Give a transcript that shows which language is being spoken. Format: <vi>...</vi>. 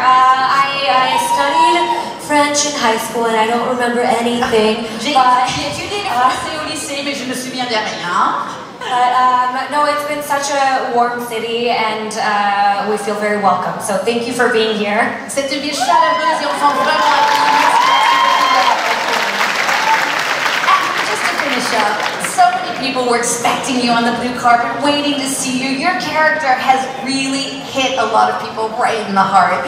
<en>I studied French in high school and I don't remember anything. No, it's been such a warm city and we feel very welcome. So thank you for being here.</en> <fr>C'est une ville chaleureuse et on sent vraiment la bienvenue.</fr> <en>Just to finish up, so many people were expecting you on the blue carpet, waiting to see you. Your character has really hit a lot of people right in the heart.</en>